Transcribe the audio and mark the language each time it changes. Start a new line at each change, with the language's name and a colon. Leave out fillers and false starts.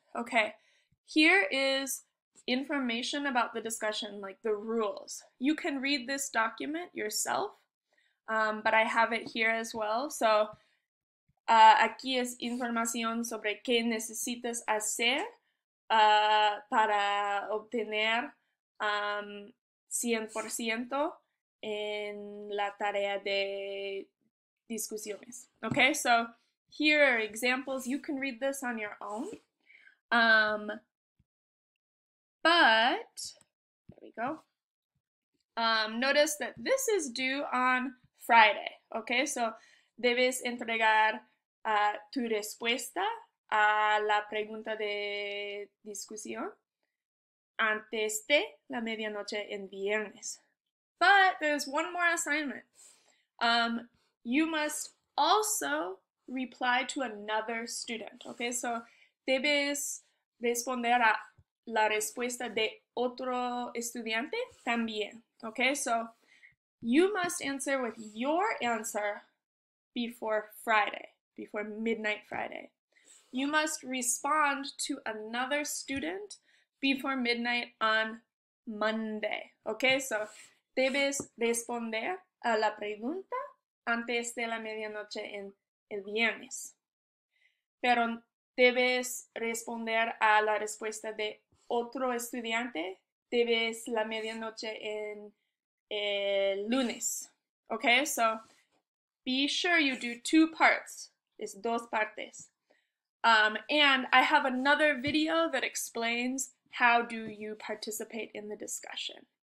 English: Okay, here is information about the discussion, like the rules. You can read this document yourself, but I have it here as well.
Spanish: So aquí es información sobre qué necesitas hacer para obtener 100% en la tarea de discusiones.
English: Okay, so here are examples. You can read this on your own. But there we go. Notice that this is due on Friday.
Spanish: Okay, so debes entregar tu respuesta a la pregunta de discusión antes de la medianoche en viernes.
English: But there's one more assignment. You must also reply to another student.
Spanish: Okay, so debes responder a la respuesta de otro estudiante también.
English: Okay, so you must answer with your answer before Friday, before midnight Friday. You must respond to another student before midnight on Monday.
Spanish: Okay, so debes responder a la pregunta antes de la medianoche en el viernes. Pero debes responder a la respuesta de otro estudiante, debes la medianoche en el lunes.
English: Okay, so be sure you do two parts.
Spanish: Es dos partes.
English: And I have another video that explains how do you participate in the discussion.